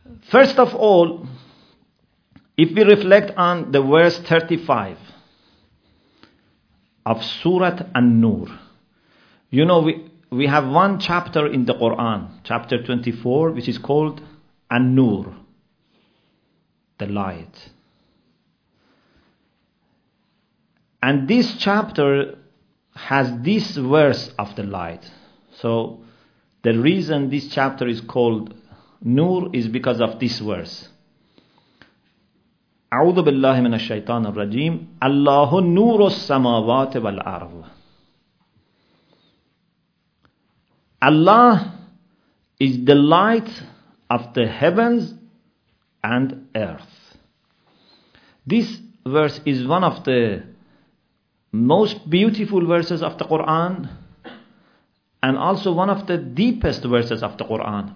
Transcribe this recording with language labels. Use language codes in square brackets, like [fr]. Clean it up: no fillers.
[en] First of all, if we reflect on the verse 35 of Surat An-Nur, you know, we have one chapter in the Quran, chapter 24, which is called An-Nur, the light. And this chapter has this verse of the light. So the reason this chapter is called Nur is because of this verse. [ar] أعوذ بالله من الشيطان الرجيم الله نور السماوات والأرض. [en] Allah is the light of the heavens and earth. This verse is one of the most beautiful verses of the Quran, and also one of the deepest verses of the Quran.